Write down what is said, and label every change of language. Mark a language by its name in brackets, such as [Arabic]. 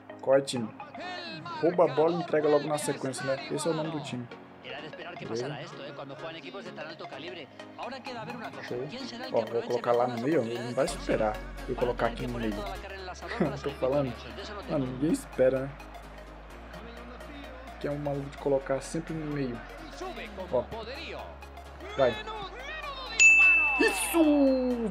[Portuguese] Qual é o time? Rouba a bola e entrega logo na sequência, né? Esse é o nome do time. [Spanish] esperar que pasara esto, cuando juegan equipos de tan alto calibre. Ahora queda a ver una cosa. ¿Quién será el que aproveche? [Portuguese] Vou colocar lá no meio, não vai esperar. Vou colocar aqui no meio. Tô falando. Mano, ninguém espera, né? Que é um maluco de colocar sempre no meio. Ó. Vai. Isso!